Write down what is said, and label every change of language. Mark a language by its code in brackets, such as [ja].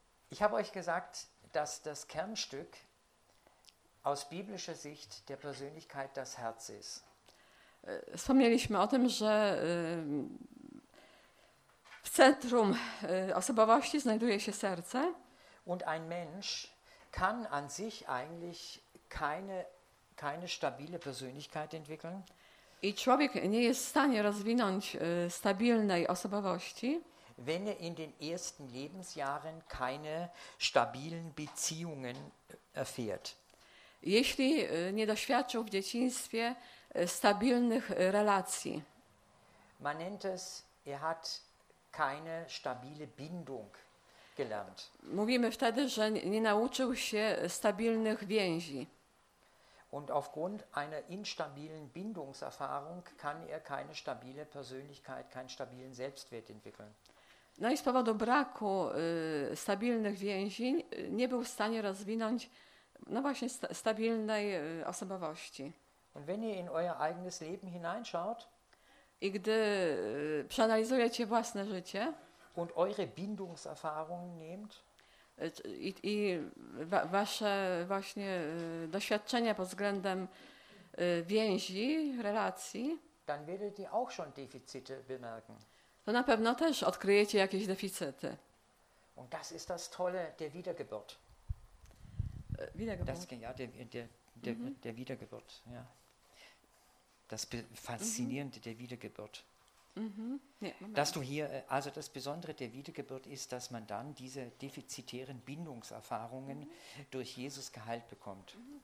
[de] Ich habe euch gesagt, dass das Kernstück aus biblischer Sicht der Persönlichkeit das Herz ist. [pl] Wspomnieliśmy o tym, że w centrum osobowości znajduje się serce. [de] Und ein Mensch kann an sich eigentlich keine stabile Persönlichkeit entwickeln. [pl] I człowiek nie jest w stanie rozwinąć stabilnej osobowości. [de] Wenn er in den ersten Lebensjahren keine stabilen Beziehungen erfährt. [pl] Jeśli nie doświadczył w dzieciństwie stabilnych relacji. [de] Man nennt es, er hat keine stabile Bindung gelernt. [pl] Mówimy wtedy, że nie nauczył się stabilnych więzi. [de] Und aufgrund einer instabilen Bindungserfahrung kann er keine stabile Persönlichkeit, keinen stabilen Selbstwert entwickeln. [pl] No i z powodu braku stabilnych więzi nie był w stanie rozwinąć no właśnie stabilnej osobowości. [de] Und wenn ihr in euer eigenes Leben hineinschaut, [pl] i gdy przeanalizujecie własne życie [de] und eure Bindungserfahrungen nehmt, [pl] i wasze właśnie doświadczenia pod względem więzi, relacji, [de] dann werdet ihr auch schon Defizite bemerken. [pl] To na pewno też odkryjecie jakieś deficyty. [de] Und das ist das tolle der Wiedergeburt. Wiedergeburt. Das ja der der Wiedergeburt, ja. Das faszinierende der Wiedergeburt. Dass du hier, also das Besondere der Wiedergeburt ist, dass man dann diese defizitären Bindungserfahrungen durch Jesus geheilt bekommt.